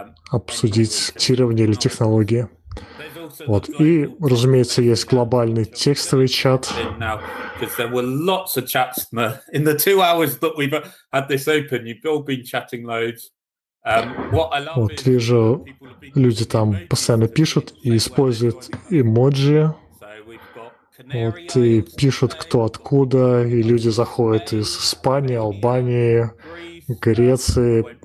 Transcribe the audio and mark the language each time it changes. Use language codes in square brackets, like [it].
[ru] Обсудить тирование или технологии. Вот. И, разумеется, есть глобальный текстовый чат. [en] Because there were lots of chats in the 2 hours that we've had this open. You've all been chatting loads. [ru] Вот вижу, люди там постоянно пишут и используют эмоджи. Вот и пишут, кто откуда, и люди заходят из Испании, Албании, Греции.